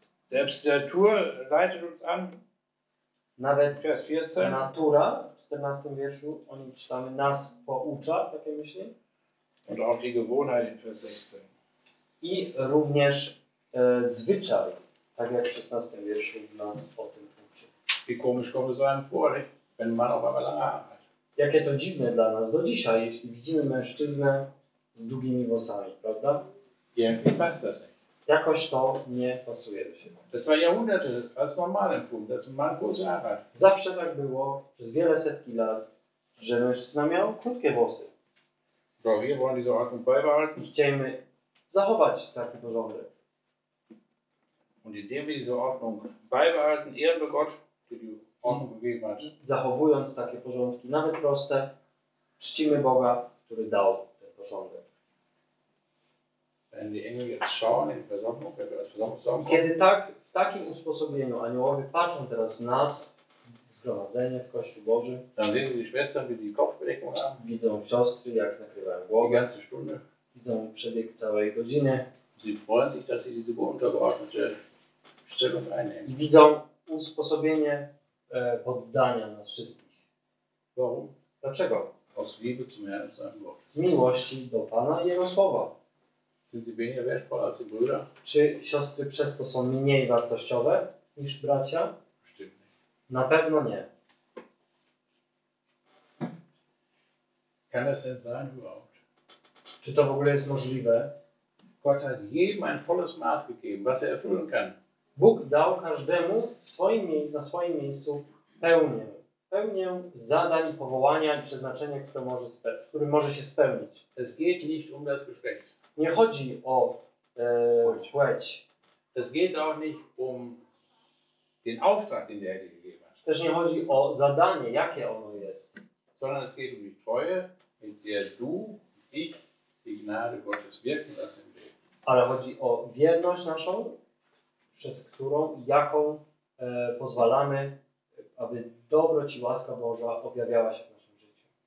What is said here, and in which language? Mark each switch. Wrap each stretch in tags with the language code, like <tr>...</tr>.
<de>Selbst der Natur leitet uns an.</de> <pl>Nawet</pl> <de>Vers 14.</de> <pl>Natura w 14 wierszu, o nim czytamy, nas poucza, takie myśli.</pl> <de>Und auch die Gewohnheit in Vers 16.</de> <pl>I również zwyczaj. Tak jak w 16 wierszu nas o tym uczy.</pl> <de>Wie komisch kommt es einem vor, wenn man auf einmal lange Haare hat.</de> <pl>Jakie to dziwne dla nas do dzisiaj, jeśli widzimy mężczyznę z długimi włosami, prawda?</pl> <de>Irgendwie passt das nicht.</de> <pl>Jakoś to nie pasuje do siebie.</pl> <de>Das war Jahrhunderte, als man mal empfunden, dass man große Haare hat.</de> <pl>Zawsze tak było, przez wiele setki lat, że mężczyzna miał krótkie włosy.</pl> <de>Bo wir wollen diese Ordnung beibehalten.</de> <pl>Chcemy zachować taki porządek.</pl> <de>Und indem wir diese Ordnung beibehalten, ehren wir Gott, der die Ordnung gegeben hat.</de> <pl>Zachowując takie porządki, nawet proste, czcimy Boga, który dał ten porządek.</pl> <de>Wenn die Engel jetzt schauen in die Versammlung, wenn wir als Versammlung sagen,</de> <pl>kiedy tak, w takim usposobieniu aniołowie patrzą teraz w nas, w zgromadzenie, w Kościół Boży,</pl> <de>dann sehen sie die Schwestern, wie sie Kopfbedeckung haben.</de> <pl>Widzą siostry, jak nakrywają głowę.</pl> <de>Die ganze Stunde.</de> <pl>Widzą przebieg całej godziny.</pl> <de>Sie freuen sich, dass sie diese untergeordnete</de> <pl>i widzą usposobienie poddania nas wszystkich.</pl> <de>Warum?</de> <pl>Dlaczego?</pl> <de>Aus Liebe zum Herrn und seinem Wort.</de> <pl>Z miłości do Pana i Jego Słowa.</pl> <de>Sind sie weniger wertvoll als die Brüder?</de> <pl>Czy siostry przez to są mniej wartościowe niż bracia?</pl> <de>Stimmt.</de> <pl>Na pewno nie.</pl> <de>Kann das denn sein überhaupt?</de> <pl>Czy to w ogóle jest możliwe?</pl> <de>Gott hat jedem ein volles Maß gegeben, was er erfüllen kann.</de> <pl>Bóg dał każdemu na swoim miejscu pełnię. Pełnię zadań, powołania i przeznaczenia, które może się spełnić.</pl> <de>Es geht nicht um das Geschlecht.</de> <pl>Nie chodzi o płeć.</pl> <de>Es geht auch nicht um den Auftrag, den der Herr gegeben hat.</de> <pl>Też nie chodzi o zadanie, jakie ono jest.</pl> <de>Sondern es geht um die Treue, mit der du ich die Gnade Gottes wirken lassen willst.</de> <pl>Ale chodzi o wierność naszą, przez którą i jaką pozwalamy, aby dobroć i łaska Boża objawiała się w naszym życiu.</pl>